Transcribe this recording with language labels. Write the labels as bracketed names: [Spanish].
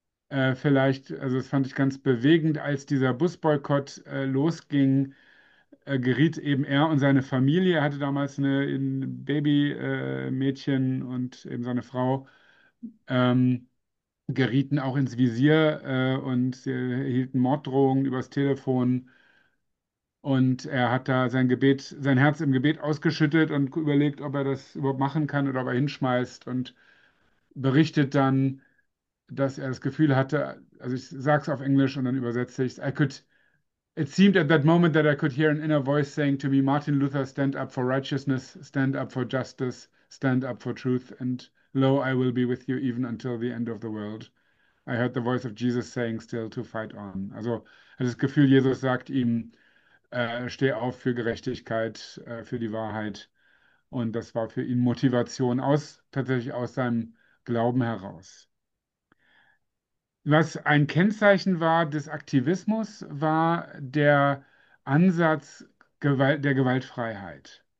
[German] Vielleicht, also das fand ich ganz bewegend, als dieser Busboykott losging, geriet eben er und seine Familie, er hatte damals ein Babymädchen und eben seine Frau, gerieten auch ins Visier und sie erhielten Morddrohungen übers Telefon. Und er hat da sein Herz im Gebet ausgeschüttet und überlegt, ob er das überhaupt machen kann oder ob er hinschmeißt, und berichtet dann, dass er das Gefühl hatte, also ich sage es auf Englisch und dann übersetze ich es: [English] I could. It seemed at that moment that I could hear an inner voice saying to me, Martin Luther, stand up for righteousness, stand up for justice, stand up for truth, and lo, I will be with you even until the end of the world. I heard the voice of Jesus saying, still to fight on. [German] Also, er hat das Gefühl, Jesus sagt ihm, steh auf für Gerechtigkeit, für die Wahrheit. Und das war für ihn Motivation tatsächlich aus seinem Glauben heraus. Was ein Kennzeichen war des Aktivismus, war der Ansatz der Gewaltfreiheit.